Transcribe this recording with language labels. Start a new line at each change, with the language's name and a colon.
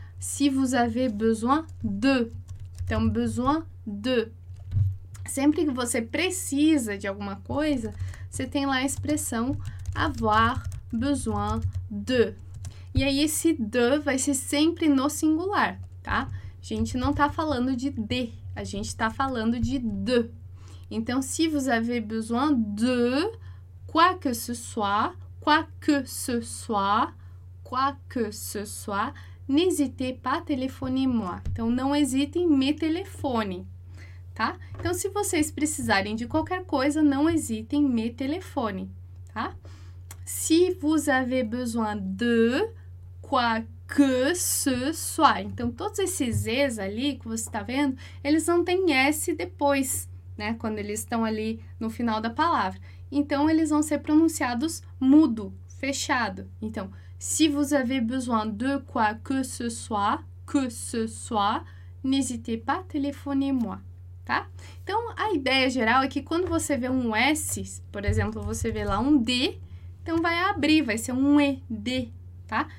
French: Si vous avez besoin de. Então, besoin de.
Portuguese: Sempre que você precisa de alguma coisa, você tem lá a expressão
French: avoir besoin de.
Portuguese: E aí, esse de vai ser sempre no singular, tá? A gente não tá falando de. A gente tá falando de.
French: Então, si vous avez besoin de, quoi que ce soit, n'hésitez pas, téléphonez-moi.
Portuguese: Então, não hesitem, me telefone, tá? Então, se vocês precisarem de qualquer coisa, não hesitem, me telefone, tá?
French: Si vous avez besoin de quoi que ce soit.
Portuguese: Então, todos esses es ali que você está vendo, eles não têm S depois, né? Quando eles estão ali no final da palavra. Então, eles vão ser pronunciados mudo, fechado.
French: Então, si vous avez besoin de quoi que ce soit, n'hésitez pas, téléphonez-moi, tá?
Portuguese: Então, a ideia geral é que quando você vê um S, por exemplo, você vê lá um D, então vai abrir, vai ser um E, D, tá?